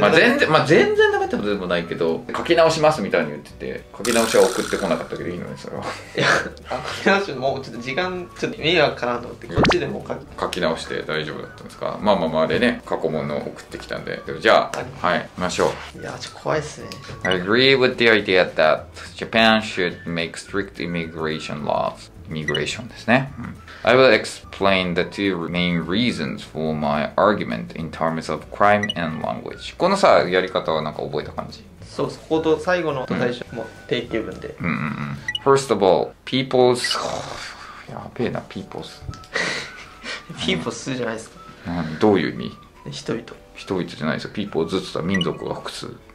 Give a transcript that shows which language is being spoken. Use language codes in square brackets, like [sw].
[ja] まあ、全然、まあ、全然ダメってことでもないけど、書き直しますみたいに言ってて、書き直しは送ってこなかったけどいいのね、それは。いや書き直しもうちょっと時間ちょっと迷惑かなと思って、こっちでも書き直して大丈夫だったんですか。まあまあまああれね、過去問の送ってきたんで、じゃあはい、ましょう。いやちょっと怖いっすね。 [en] I agree with the idea that Japan should make strict immigration laws。 Immigration [ja] ですね、うん。 [en] I will explain the two main reasons for my argument in terms of crime and language。 [ja] このさ、やり方はなんか覚えた感じ。そう、そこと最後のと最初も定型文で、うんうんうん、 [en] First of all, people's [ja] やべえな、 [en] people's people's [ja] じゃないですか、うん、どういう意味。人々、人々じゃないですよ、 [en] people's [ja] って言ったら民族が複数。